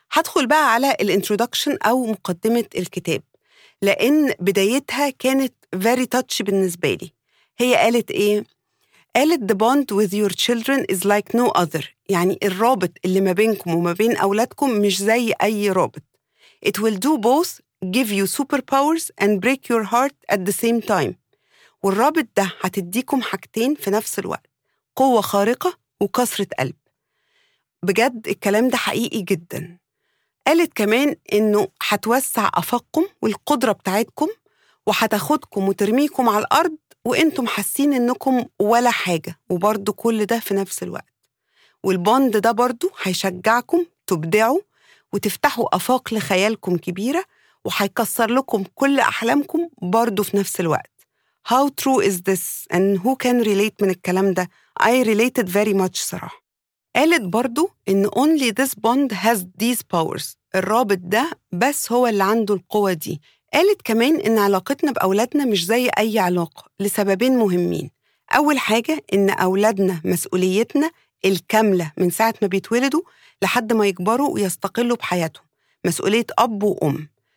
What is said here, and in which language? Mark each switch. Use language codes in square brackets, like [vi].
[ar] هدخل بقى على الانترودكشن أو مقدمة الكتاب، لأن بدايتها كانت [en] very touch [ar] بالنسبة لي. هي قالت إيه؟ قالت [en] the bond with your children is like no other، [ar] يعني الرابط اللي ما بينكم وما بين أولادكم مش زي أي رابط. [en] It will do both give you superpowers and break your heart at the same time. [ar] والرابط ده هتديكم حاجتين في نفس الوقت، قوة خارقة وكسرة قلب. بجد الكلام ده حقيقي جدا. قالت كمان إنه هتوسع أفقكم والقدرة بتاعتكم وهتاخدكم وترميكم على الأرض وانتم حاسين انكم ولا حاجة وبرضو كل ده في نفس الوقت. والبوند ده برضو هيشجعكم تبدعوا وتفتحوا أفاق لخيالكم كبيرة، وحيكسر لكم كل أحلامكم برضو في نفس الوقت. [en] How true is this and who can relate [ar] من الكلام ده؟ [en] I related very much [ar] صراحة. قالت برضو إن [en] only this bond has these powers، [ar] الرابط ده بس هو اللي عنده القوة دي. قالت كمان إن علاقتنا بأولادنا مش زي أي علاقة لسببين مهمين. أول حاجة إن أولادنا مسؤوليتنا الكاملة من ساعة ما بيتولدوا لحد ما يكبروا ويستقلوا بحياتهم، مسؤولية أب وأم.